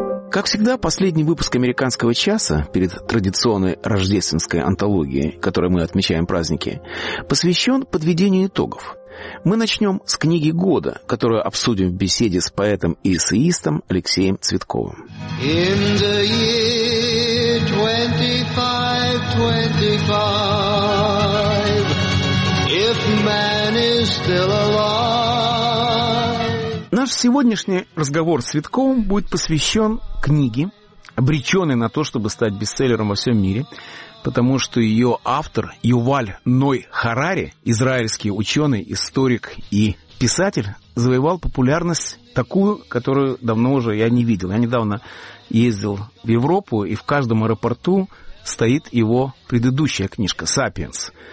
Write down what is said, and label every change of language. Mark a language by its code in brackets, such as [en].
[ru] Как всегда, последний выпуск «Американского часа» перед традиционной рождественской антологией, которой мы отмечаем праздники, посвящен подведению итогов. Мы начнем с книги года, которую обсудим в беседе с поэтом и эссеистом Алексеем Цветковым. [en] In the year 2525, if man is still alive. [ru] Наш сегодняшний разговор с Цветковым будет посвящен книге, обреченной на то, чтобы стать бестселлером во всем мире, потому что ее автор Юваль Ной Харари, израильский ученый, историк и писатель, завоевал популярность такую, которую давно уже я не видел. Я недавно ездил в Европу, и в каждом аэропорту стоит его предыдущая книжка «Сапиенс».